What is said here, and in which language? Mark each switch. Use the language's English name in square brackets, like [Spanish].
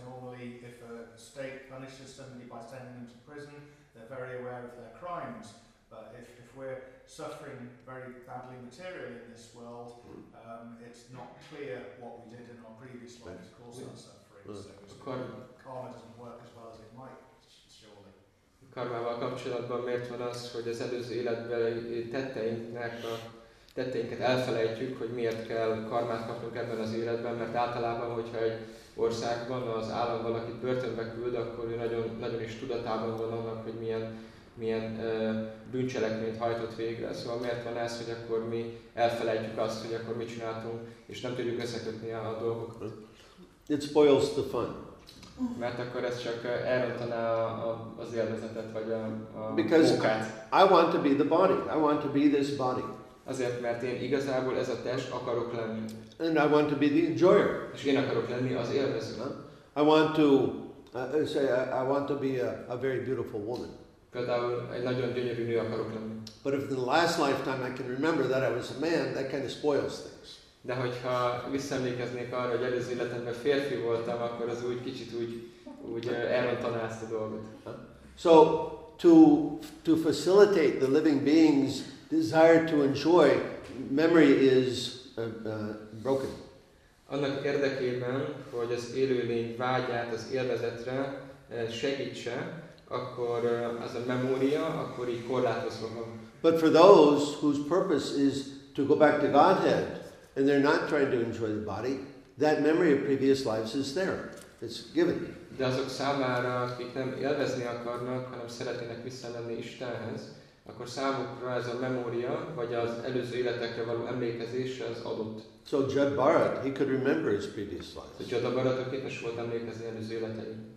[English] Normally, if a state punishes somebody by sending them to prison, they're very aware of their crimes. But if we're suffering very badly materially in this world, it's not clear what we did in our previous life to cause our suffering. Karma doesn't work as well as it might, surely. [Hungarian] Karmával kapcsolatban miért van az, hogy az előző életben tetteinknek a tetteinket elfelejtjük, hogy miért kell karmát kapnunk ebben az életben, mert általában, hogyha egy országban az állam valakit börtönbe küld, akkor ő nagyon, nagyon is tudatában van annak, hogy milyen bűncselekményt hajtott végre. Szóval miért van ez, hogy akkor mi elfelejtjük azt, hogy akkor mit csináltunk, és nem tudjuk összekötni a dolgokat. [English] It spoils the fun. [Hungarian] Mert akkor ez csak elrontaná az élvezetet, vagy a munkát. [English] Because I want to be the body. I want to be this body. [Hungarian] Azért, mert én igazából ez a test akarok lenni. [English] And I want to be the enjoyer. [Hungarian] És én akarok lenni az élvező. [English] I want to be a very beautiful woman. [Hungarian] Például egy nagyon gyönyörű nő akarok lenni. [English] But if in the last lifetime I can remember that I was a man, that kind of spoils things. [Hungarian] De hogyha visszaemlékeznék arra, hogy előző életemben férfi voltam, akkor az úgy kicsit úgy elrontaná ezt a dolgot. [English] So to facilitate the living beings' desire to enjoy, memory is broken. [Hungarian] Annak érdekében, hogy az élőlény vágyát az élvezetre segítse, akkor az a memória akkor így korlátozva van. [English] But for those whose purpose is to go back to Godhead, and they're not trying to enjoy the body, that memory of previous lives is there. It's given. [Hungarian] De azok számára, akik nem élvezni akarnak, hanem szeretnének visszamenni Istenhez, akkor számukra ez a memória, vagy az előző életekre való emlékezés az adott. [English] So Judd Barrett, he could remember his previous lives. [Hungarian] So Judd Barrett képes volt emlékezni előző életeit.